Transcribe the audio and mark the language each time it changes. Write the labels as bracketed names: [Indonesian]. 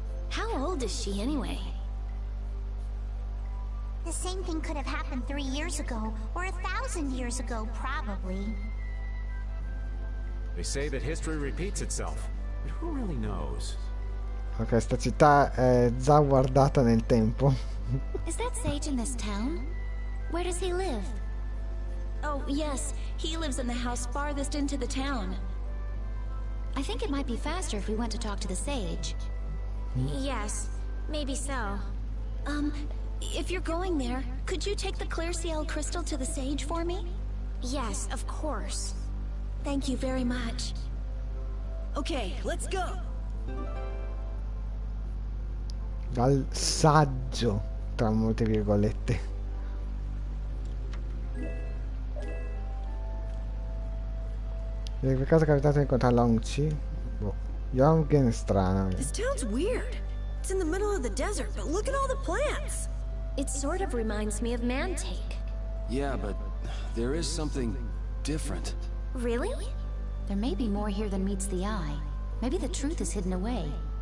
[English] How old is she anyway? The same thing could have happened 3 years ago, or 1,000 years ago, probably. They say that history repeats itself, but who really knows? [Italian] Ok, sta città è già guardata nel tempo. [English] Is that Sage in this town? Where does he live? Oh, yes, he lives in the house farthest into the town. I think it might be faster if we went to talk to the Sage. Yes, maybe so. If you're going there, could you take the Clear CL crystal to the Sage for me? Yes, of course. Thank you very much. Okay, let's go. [Italian] Dal saggio, tra molte virgolette. Per caso è capitato di incontrare Long Chi? Boh. Young è strana. [English] This town's weird. It's in the middle of the desert, but look at all the plants. It sort of reminds me of Mantake. Yeah, but there is something different. Really? There may be more here than meets the eye. Maybe the truth is hidden away.